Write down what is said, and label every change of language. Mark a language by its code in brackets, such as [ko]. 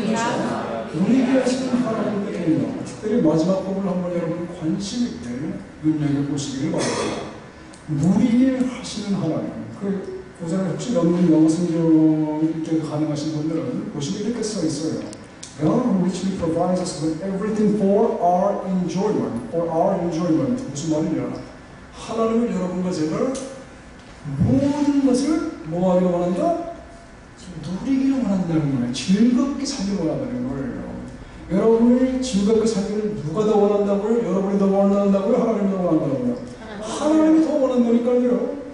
[ko] 주시옵소서. 우리에게 하시는 하나님께는요 특별히 마지막 부분을 한번 여러분 관심 있게 눈여겨보시기를 바랍니다. 우리에게 하시는 하나님 그 구절에 혹시 없는 영어성경이 가능하신 분들은 보시면 이렇게 써 있어요. [en] God richly provides us with everything for our enjoyment. For our enjoyment. [ko] 무슨 말이냐? 하나님은 여러분과 제가 모든 것을 뭐 하기를 원한다? 누리기를 원한다는 거예요. 즐겁게 살기를 원한다는 거예요. 여러분이 즐겁게 살기를 누가 더 원한다고요? 여러분이 더 원한다고요? 하나님이 더 원한다고요? 하나님이 더 원한다니까요.